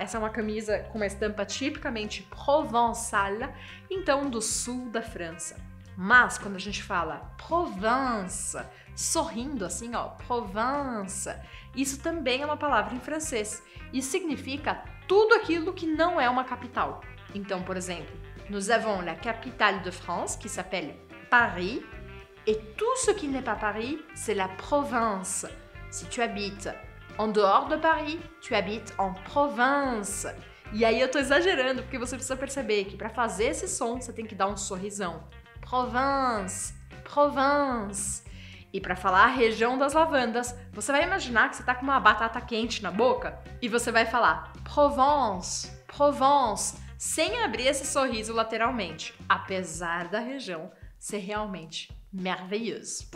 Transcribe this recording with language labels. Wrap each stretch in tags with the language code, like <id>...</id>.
<pt>Essa é uma camisa com uma estampa tipicamente provençale, então do sul da França. Mas quando a gente fala Provence, sorrindo assim, ó, Provence, isso também é uma palavra em francês e significa tudo aquilo que não é uma capital. Então, por exemplo,</pt> <fr>nous avons la capitale de France, que s'appelle Paris, et tout ce qui n'est pas Paris, c'est la Provence. Si tu habites en dehors de Paris, tu habites en Provence.</fr> <pt>E aí eu tô exagerando, porque você precisa perceber que para fazer esse som, você tem que dar um sorrisão. Provence, Provence. E para falar a região das lavandas, você vai imaginar que você está com uma batata quente na boca e você vai falar Provence, Provence, sem abrir esse sorriso lateralmente, apesar da região ser realmente maravilhoso.</pt>